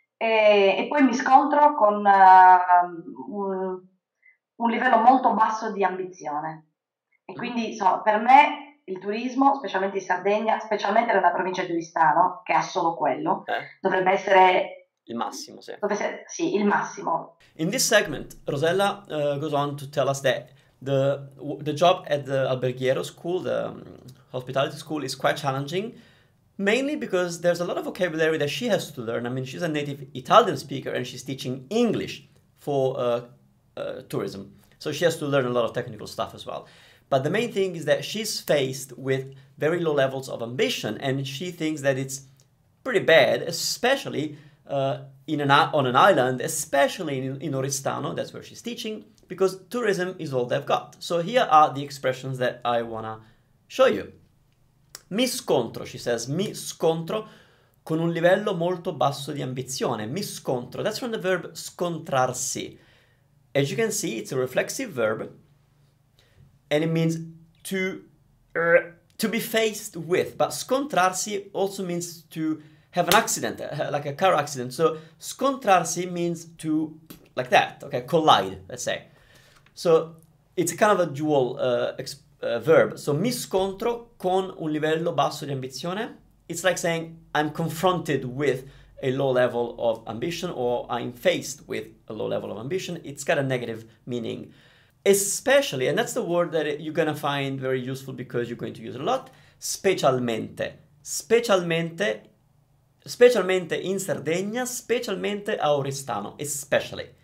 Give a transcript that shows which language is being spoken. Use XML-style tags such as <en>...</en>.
<it>E poi mi scontro con un livello molto basso di ambizione. E quindi, insomma, per me il turismo, specialmente in Sardegna, specialmente nella provincia di Oristano, che ha solo quello, dovrebbe essere... Il massimo, sì. Sì, il massimo.</it> <en>In this segment, Rosella goes on to tell us that the job at the alberghiero school, the hospitality school, is quite challenging, mainly because there's a lot of vocabulary that she has to learn. I mean, she's a native Italian speaker and she's teaching English for tourism. So she has to learn a lot of technical stuff as well. But the main thing is that she's faced with very low levels of ambition and she thinks that it's pretty bad, especially... on an island, especially in Oristano, that's where she's teaching, because tourism is all they've got. So here are the expressions that I wanna show you.</en> <it>Mi scontro,</it> <en>she says,</en> <it>mi scontro con un livello molto basso di ambizione. Mi scontro,</it> <en>that's from the verb scontrarsi. As you can see, it's a reflexive verb, and it means to be faced with, but scontrarsi also means to have an accident, like a car accident. So, scontrarsi means to, like that, okay, collide, let's say. So, it's kind of a dual verb.</en> <it>So, mi scontro con un livello basso di ambizione.</it> <en>It's like saying, I'm confronted with a low level of ambition or I'm faced with a low level of ambition. It's got a negative meaning. Especially, and that's the word that you're going to find very useful because you're going to use it a lot, specialmente.</en> <it>Specialmente. Specialmente in Sardegna, specialmente a Oristano,</it> <en>especially.</en>